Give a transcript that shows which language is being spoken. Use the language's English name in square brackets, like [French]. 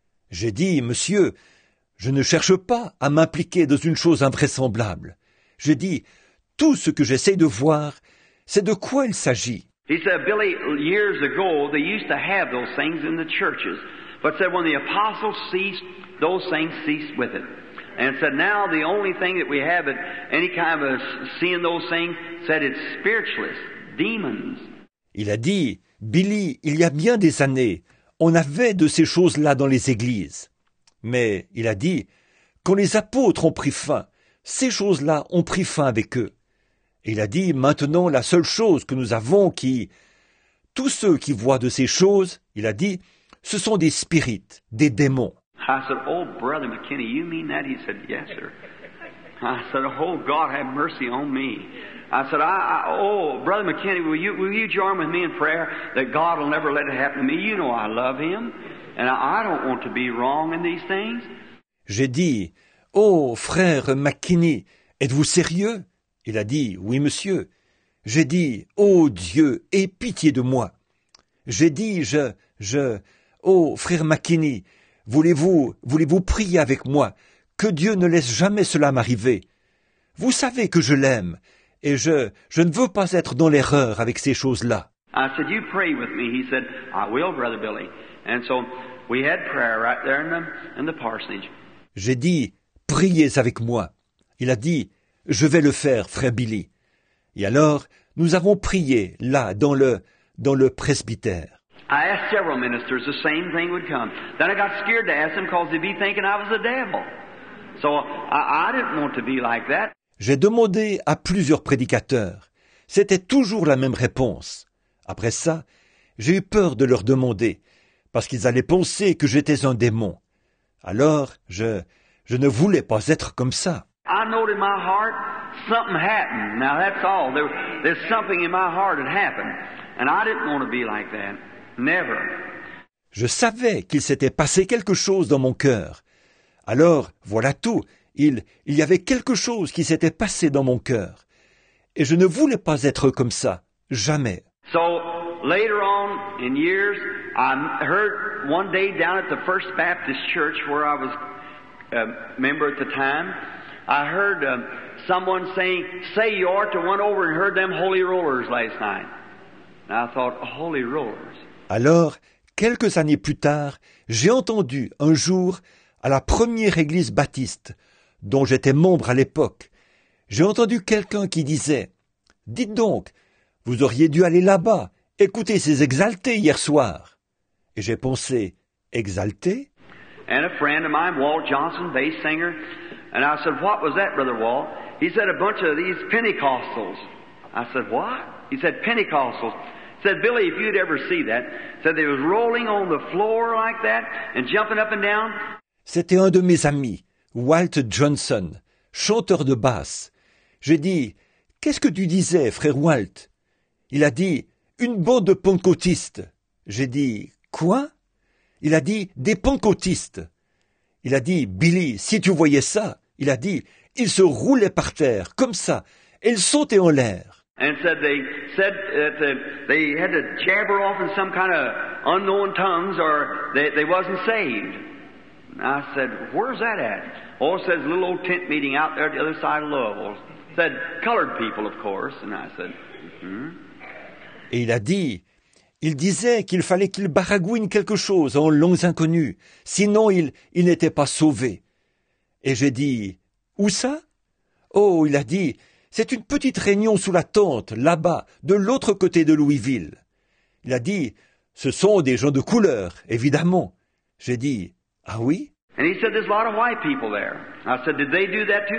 [French] J'ai dit, monsieur, je ne cherche pas à m'impliquer dans une chose invraisemblable. J'ai dit, tout ce que j'essaye de voir, c'est de quoi il s'agit. [English] He said, Billy, years ago, they used to have those things in the churches. But said, when the apostles ceased, those things ceased with it. And said, now the only thing that we have at any kind of seeing those things, said it's spiritless, demons. [French] Il a dit, Billy, il y a bien des années, on avait de ces choses-là dans les églises. Mais il a dit, quand les apôtres ont pris fin, ces choses-là ont pris fin avec eux. Il a dit, maintenant, la seule chose que nous avons qui... Tous ceux qui voient de ces choses, il a dit, ce sont des spirites, des démons. [English] I said, oh, brother McKinney, you mean that? He said, yes, sir. I said, oh, God, have mercy on me. I said, oh, brother McKinney, will you join with me in prayer that God will never let it happen to me? You know I love him, and I don't want to be wrong in these things. [French] J'ai dit, oh, frère McKinney, êtes-vous sérieux? Il a dit, « Oui, monsieur. » J'ai dit, « Oh Dieu, aie pitié de moi. » J'ai dit, « Oh, frère McKinney, voulez-vous prier avec moi que Dieu ne laisse jamais cela m'arriver. Vous savez que je l'aime et je ne veux pas être dans l'erreur avec ces choses-là. » [English] I said, « You pray with me. » He said, « I will, brother Billy. » And so, we had prayer right there in the parsonage. [French] J'ai dit, « Priez avec moi. » Il a dit, « Je vais le faire, frère Billy. » Et alors, nous avons prié, là, dans le presbytère. [English] I asked several ministers, the same thing would come. Then I got scared to ask them because they'd be thinking I was a devil. So, I didn't want to be like that. [French] J'ai demandé à plusieurs prédicateurs. C'était toujours la même réponse. Après ça, j'ai eu peur de leur demander, parce qu'ils allaient penser que j'étais un démon. Alors, je ne voulais pas être comme ça. [English] I know in my heart something happened. Now that's all. There's something in my heart that happened. And I didn't want to be like that. Never. [French] Je savais qu'il s'était passé quelque chose dans mon cœur. Alors, voilà tout. Il y avait quelque chose qui s'était passé dans mon cœur. Et je ne voulais pas être comme ça. Jamais. [English] So, later on, in years, I heard one day down at the First Baptist Church where I was a member at the time, I heard someone say you ought to went over and heard them holy rollers last night. And I thought, holy rollers. [French] Alors, quelques années plus tard, j'ai entendu un jour à la première église baptiste dont j'étais membre à l'époque. J'ai entendu quelqu'un qui disait, dites donc, vous auriez dû aller là-bas, écouter ces exaltés hier soir. Et j'ai pensé, exaltés? [English] And a friend of mine, Walt Johnson, bass singer. And I said, what was that, Brother Walt? He said, a bunch of these Pentecostals. I said, what? He said, Pentecostals. He said, Billy, if you'd ever see that. He said, they was rolling on the floor like that and jumping up and down. [French] C'était un de mes amis, Walt Johnson, chanteur de basse. J'ai dit, « Qu'est-ce que tu disais, frère Walt ?» Il a dit, « Une bande de pentecôtistes. » J'ai dit, « Quoi ?» Il a dit, « Des pentecôtistes. » Il a dit, « Billy, si tu voyais ça. » Il a dit, « Ils se roulaient par terre, comme ça, et ils sautaient en l'air. » [English] And said they said that they had to jabber off in some kind of unknown tongues, or they wasn't saved. And I said, "Where's that at?" Oh, says little old tent meeting out there at the other side of Louisville. Said colored people, of course. And I said, "Hmm." [French] Et il a dit, il disait qu'il fallait qu'il baragouine quelque chose en langues inconnues, sinon il n'était pas sauvé. Et j'ai dit, où ça? Oh, il a dit. C'est une petite réunion sous la tente, là-bas, de l'autre côté de Louisville. Il a dit, ce sont des gens de couleur, évidemment. J'ai dit, ah oui? [English] And he said, there's a lot of white people there. I said, did they do that too?